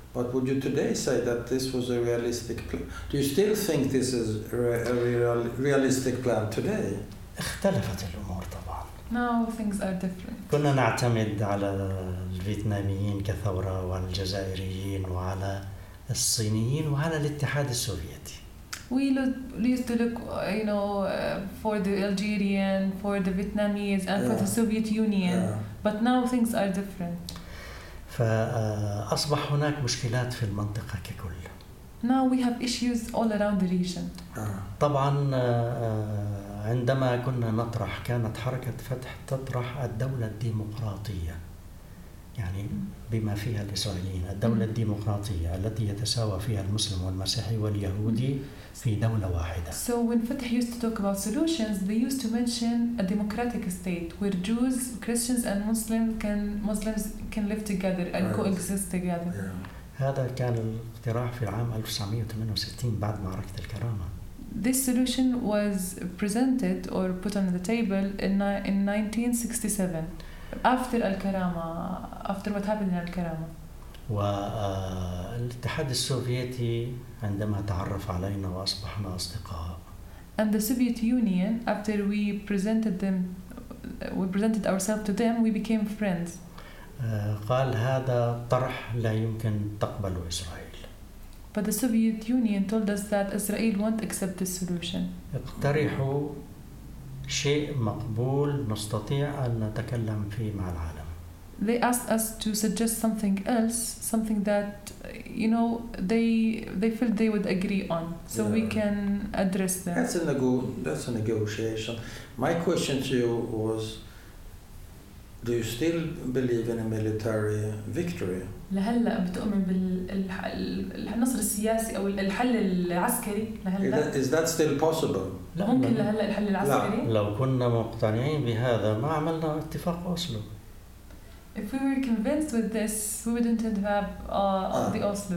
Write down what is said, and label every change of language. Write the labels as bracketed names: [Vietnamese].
[English] But would you today say that this was a realistic plan? Do you still think this is a realistic plan today? [Arabic] اختلفت الأمور طبعا. [English] Now things are different. [Arabic] كنا نعتمد على الفيتناميين كثورة وعلى الجزائريين وعلى الصينيين وعلى الاتحاد السوفيتي. [English] We used to look, you know, for the Algerian, for the Vietnamese, and yeah. for the Soviet Union. Yeah. But now things are different. [Arabic] فأصبح هناك مشكلات في المنطقة ككل. [English] Now we have issues all around the region. [Arabic] طبعا عندما كنا نطرح كانت حركة فتح تطرح الدولة الديمقراطية. يعني بما فيها الإسرائيليين الدولة الديمقراطية التي يتساوى فيها المسلم والمسيحي واليهودي في دولة واحدة. [English] So when Fatih used to talk about solutions, they used to mention a democratic state where Jews, Christians, and Muslims can live together and right. coexist together. Yeah. [Arabic] هذا كان الاقتراح في العام 1968 بعد معركة الكرامة. [English] This solution was presented or put on the table in 1967. After الكرامة, after what happened in الكرامة. [Arabic] والاتحاد السوفيتي عندما تعرف علينا وأصبحنا أصدقاء. [English] And the Soviet Union, after we presented ourselves to them, we became friends. [Arabic] قال هذا طرح لا يمكن تقبله إسرائيل. [English] But the Soviet Union told us that Israel won't accept this solution. [Arabic] اقترحوا شيء مقبول نستطيع أن نتكلم فيه مع العالم. [English] They asked us to suggest something else, something that, you know, they felt they would agree on, so yeah. We can address them. That's a negotiation. My question to you was, do you still believe in a military victory? [Arabic] لهلا بتؤمن بالنصر السياسي أو الحل العسكري لهلا؟ [English] Is that still possible? [Arabic] لا ممكن لهلا الحل العسكري؟ لا. لو كنا مقتنعين بهذا ما عملنا اتفاق أصله. [English] If we were convinced with this, we wouldn't have the Oslo.